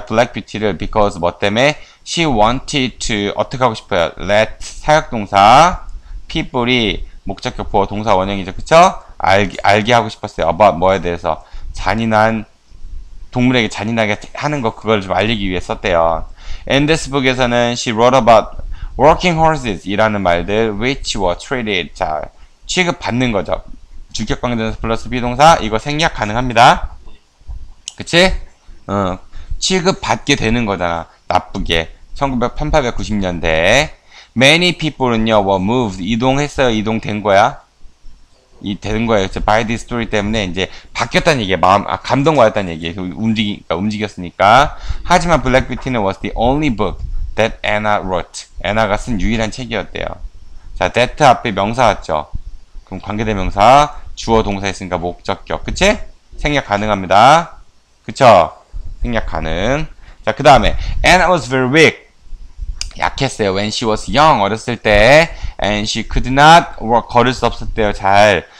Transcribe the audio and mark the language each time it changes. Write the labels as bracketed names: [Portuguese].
[Korean] Black Beauty를 because 뭐 때문에? [English] She wanted to, [Korean] 어떻게 하고 싶어요? Let, 사역동사. People이 목적격 보어 동사 원형이죠. 그쵸? 알게 하고 싶었어요. About 뭐에 대해서. 잔인한 동물에게 잔인하게 하는 거 그걸 좀 알리기 위해 썼대요. [English] In this book [Korean] 에서는 [English] she wrote about working horses [Korean] 이라는 말들 [English] which were treated. [Korean] 자, 취급 받는 거죠. 주격강조 플러스 비동사 이거 생략 가능합니다. 그치? 취급 받게 되는 거잖아. 나쁘게. 1890년대에 [English] Many people [Korean] 은요, [English] were moved, [Korean] 이동했어요, 이동된 거야? 이, 된 거예요. 그쵸? [English] By this story [Korean] 때문에, 이제, 바뀌었다는 얘기예요. 마음, 아, 감동받았다는 얘기예요. 움직였으니까. [English] 하지만, Black Beauty는 was the only book that Anna wrote. [Korean] Anna가 쓴 유일한 책이었대요. 자, that 앞에 명사 왔죠? 그럼 관계대명사, 주어 동사 했으니까 목적격. 그치? 생략 가능합니다. 그쵸? 생략 가능. 자, 그 다음에, [English] Anna was very weak. [Korean] 약했어요. [English] When she was young, [Korean] 어렸을 때. [English] And she could not walk, [Korean] 걸을 수 없었대요. 잘.